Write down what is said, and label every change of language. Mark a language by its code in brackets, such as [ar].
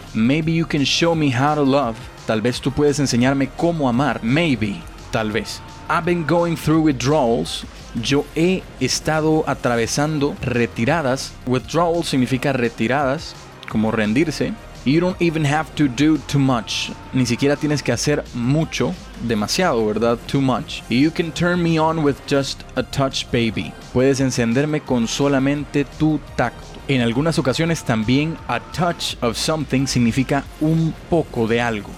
[en] Maybe you can show me how to love. [es] Tal vez tú puedes enseñarme cómo amar. Maybe, tal vez. [en] I've been going through withdrawals. [es] Yo he estado atravesando retiradas. Withdrawal significa retiradas, como rendirse. [en] You don't even have to do too much. [es] Ni siquiera tienes que hacer mucho, demasiado, ¿verdad? [en] Too much. You can turn me on with just a touch, baby. [es] Puedes encenderme con solamente tu tacto. En algunas ocasiones también, [en] a touch of something [es] significa un poco de algo.